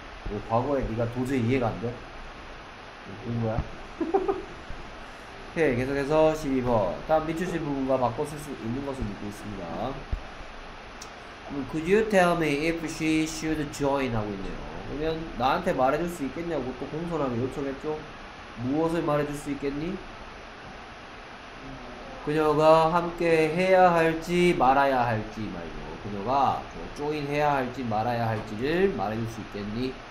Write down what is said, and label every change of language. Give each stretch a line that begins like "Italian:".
Korean: 왜 과거에 네가 도저히 이해가 안 돼? 그런 거야? 오케이, 계속해서 12번. 다음 밑줄 부분과 바꿔 쓸수 있는 것을 묻고 있습니다.
English: Could you tell me if she should join?
Korean: 하고 있네요. 그러면 나한테 말해줄 수 있겠냐고 또 공손하게 요청했죠? 무엇을 말해줄 수 있겠니? 그녀가 함께 해야 할지 말아야 할지 말이죠. 그녀가 조인해야 할지 말아야 할지를 말해줄 수 있겠니?